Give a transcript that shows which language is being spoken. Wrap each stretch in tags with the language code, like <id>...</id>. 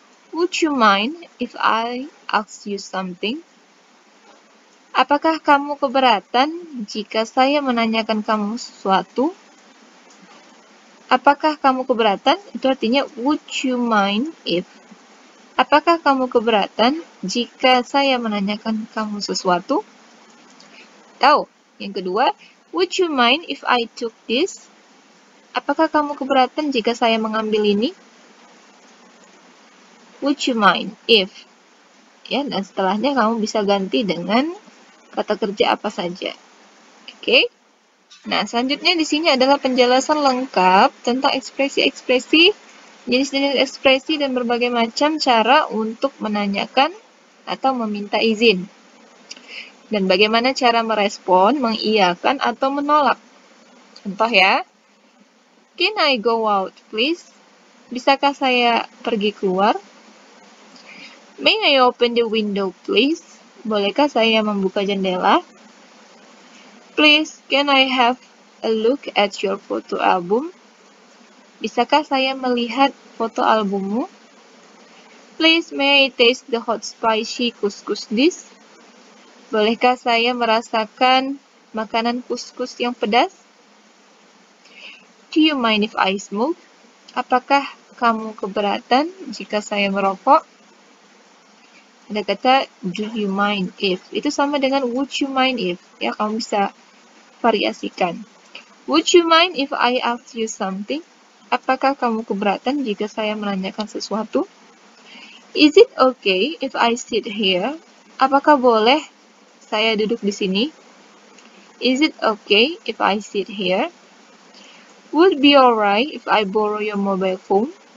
<en>Would you mind if I ask you something?</en> <id>Apakah kamu keberatan jika saya menanyakan kamu sesuatu? Apakah kamu keberatan? Itu artinya</id> <en>would you mind if.</en> <id>Apakah kamu keberatan jika saya menanyakan kamu sesuatu? Tahu. Yang kedua,</id> <en>would you mind if I took this?</en> <id>Apakah kamu keberatan jika saya mengambil ini?</id> <en>Would you mind if?</en> <id>Ya, dan setelahnya kamu bisa ganti dengan kata kerja apa saja. Oke. Nah, selanjutnya di sini adalah penjelasan lengkap tentang ekspresi-ekspresi, jenis-jenis ekspresi, dan berbagai macam cara untuk menanyakan atau meminta izin. Dan bagaimana cara merespon, mengiyakan, atau menolak. Contoh ya.</id> <en>Can I go out, please?</en> <id>Bisakah saya pergi keluar?</id> <en>May I open the window, please?</en> <id>Bolehkah saya membuka jendela?</id> <en>Please, can I have a look at your photo album?</en> <id>Bisakah saya melihat foto albummu?</id> <en>Please, may I taste the hot spicy couscous dish?</en> <id>Bolehkah saya merasakan makanan couscous yang pedas?</id> <en>Do you mind if I smoke?</en> <id>Apakah kamu keberatan jika saya merokok? Ada kata</id> <en>do you mind if.</en> <id>Itu sama dengan</id> <en>would you mind if.</en> <id>Ya, kamu bisa variasikan.</id> <en>Would you mind if I ask you something?</en> <id>Apakah kamu keberatan jika saya menanyakan sesuatu?</id> <en>Is it okay if I sit here?</en> <id>Apakah boleh saya duduk di sini?</id> <en>Is it okay if I sit here? Would be alright if I borrow your mobile phone?</en>